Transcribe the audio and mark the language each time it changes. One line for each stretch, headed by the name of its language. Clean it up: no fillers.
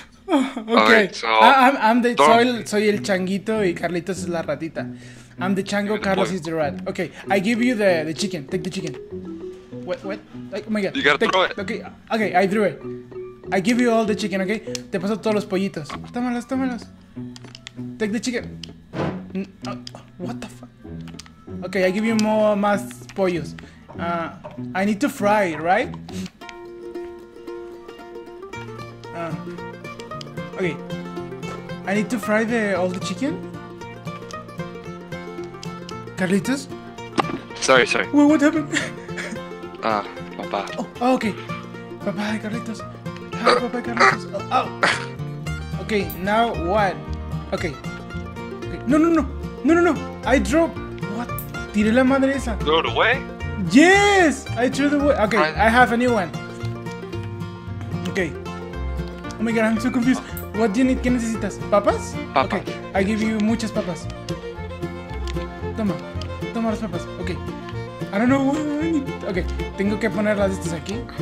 English: Okay. Right, so I'm the
Spanish: soy el changuito y Carlitos es la ratita.
English: I'm the chango, Carlos is the rat. Okay, I give you the chicken. Take the chicken. What? Like, oh my god. You gotta throw it. Okay, I threw it. I give you all the chicken, okay?
Spanish: Te paso todos los pollitos. Tómalos.
English: Take the chicken. What the fuck? Okay, I give you
Spanish: más pollos.
English: I need to fry, right? Okay. I need to fry all the chicken? Carlitos? Sorry. Wait, what happened?
Spanish: Papa.
English: Oh, okay. Bye-bye, Carlitos. Bye-bye, Carlitos. Okay, now what? Okay. No. I dropped. What?
Spanish: Tire la madre esa.
English: Throw it away? Yes! I threw the away. Okay, I have a new one. Okay. Oh my god, I'm so confused. What do you need?
Spanish: ¿Qué necesitas? ¿Papas? Papa.
English: Okay, I give you
Spanish: muchas papas. Toma las papas,
English: okay. I don't know what I need.
Spanish: Okay, tengo que poner las estas aquí.